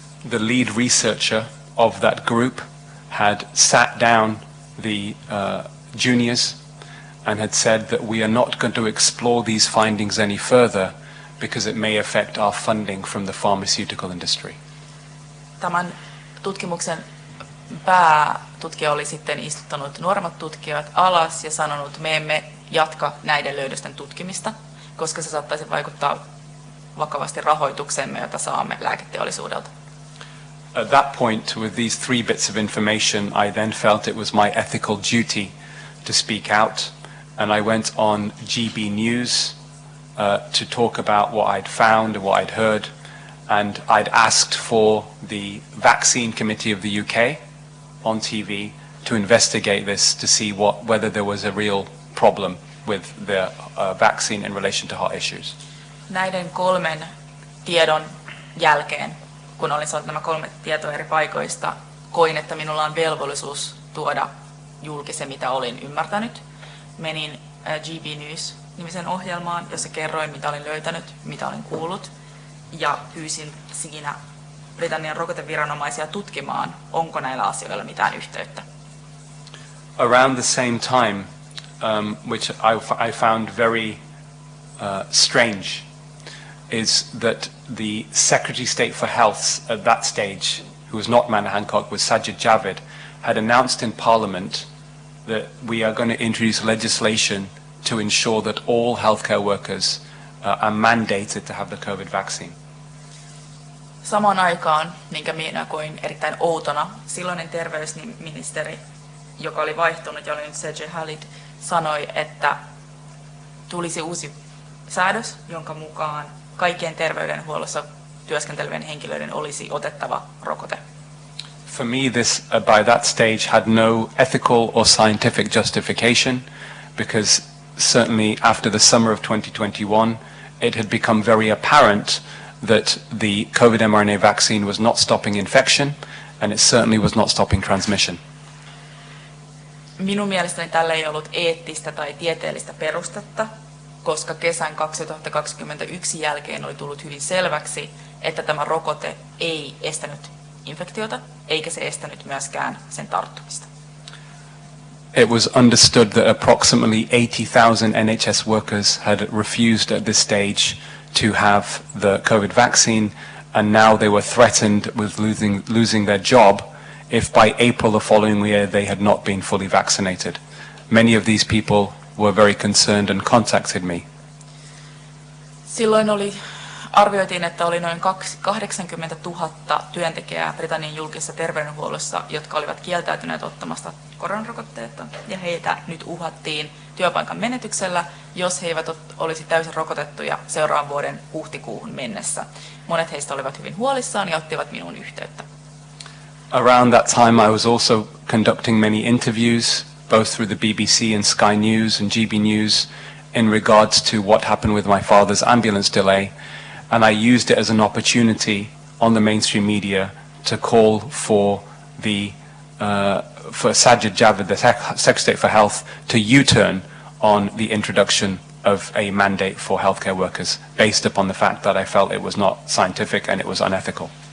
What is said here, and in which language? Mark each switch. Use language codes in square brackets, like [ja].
[en] The lead researcher of that group had sat down the juniors and had said that we are not going to explore these findings any further because it may affect our funding from the pharmaceutical industry. [fi] Tämän tutkimuksen päätutkija oli sitten istuttanut nuoremmat tutkijat alas ja sanonut, me emme jatka näiden löydösten tutkimista, koska se saattaisi vaikuttaa vakavasti rahoituksemme, jota saamme lääketeollisuudelta. [en] At that point, with these 3 bits of information, I then felt it was my ethical duty to speak out, and I went on GB News to talk about what I'd found and what I'd heard, and I'd asked for the Vaccine Committee of the UK on TV to investigate this to see whether there was a real problem with the vaccine in relation to heart issues. [fi] Näiden 3 tiedon jälkeen, kun olin saanut nämä 3 tietoa eri paikoista, koin, että minulla on velvollisuus tuoda julki se, mitä olin ymmärtänyt. Menin GB News-nimisen ohjelmaan, jossa kerroin, mitä olin löytänyt, mitä olin kuullut, ja pyysin siinä Britannian rokoteviranomaisia tutkimaan, onko näillä asioilla mitään yhteyttä. [en] Around the same time, which I found very strange, is that the Secretary of State for Health at that stage, who was not Manohar Hancock, was Sajid Javid, had announced in Parliament that we are going to introduce legislation to ensure that all healthcare workers are mandated to have the COVID vaccine. [fi] samaan aikaan, minkä minä koin erittäin outona, silloinen terveysministeri, joka oli vaihtunut ja oli nyt CJ Hallid, sanoi, että tulisi uusi säädös, jonka mukaan kaikkien terveydenhuollossa työskentelevien henkilöiden olisi otettava rokote. [en] For me, this by that stage had no ethical or scientific justification, because certainly after the summer of 2021, it had become very apparent that the COVID mRNA vaccine was not stopping infection, and it certainly was not stopping transmission. [fi] Minun mielestäni tällä ei ollut eettistä tai tieteellistä perustetta, koska kesän 2021 jälkeen oli tullut hyvin selväksi, että tämä rokote ei estänyt infektiota, eikä se estänyt myöskään sen tarttumista. [en] It was understood that approximately 80,000 NHS workers had refused at this stage to have the COVID vaccine, and now they were threatened with losing their job if by April the following year they had not been fully vaccinated. Many of these people were very concerned and contacted me. [fi] Silloin oli arvioitiin, että oli noin 80 000 työntekijää Britannian julkisessa terveydenhuollossa, jotka olivat kieltäytyneet ottamasta koronarokotteita, ja heitä nyt uhattiin työpaikan menetyksellä, jos he eivät olisi täysin rokotettuja seuraavan vuoden huhtikuuhun mennessä. Monet heistä olivat hyvin huolissaan ja ottivat minuun yhteyttä. [en] Around that time I was also conducting many interviews, both through the BBC and Sky News and GB News, in regards to what happened with my father's ambulance delay. And I used it as an opportunity on the mainstream media to call for the for Sajid Javid, the Secretary for Health, to U-turn on the introduction of a mandate for healthcare workers, based upon the fact that I felt it was not scientific and it was unethical.